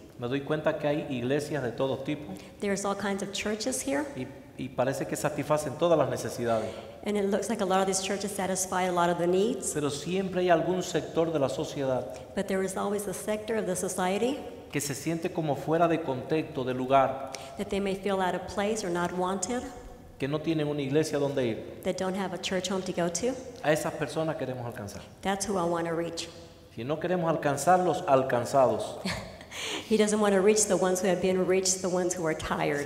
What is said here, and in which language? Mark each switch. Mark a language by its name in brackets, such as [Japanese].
[Spanish] Me doy cuenta que hay iglesias de todo tipo. [English] There's all kinds of churches here. [Spanish] Y parece que satisfacen todas las necesidades. [English] And it looks like a lot of these churches satisfy a lot of the needs. [Spanish] Pero siempre hay algún sector de la sociedad. [English] But there is always a sector of the society. [Spanish] Que se siente como fuera de contexto, de lugar. [English] That they may feel out of place or not wanted. [Spanish] Que no tienen una iglesia donde ir. [English] That don't have a church home to go to. [Spanish] A esas personas queremos alcanzar. [English] That's who I want to reach. [Spanish] Si no queremos alcanzar los alcanzados. [English] He doesn't want to reach the ones who have been reached, the ones who are tired.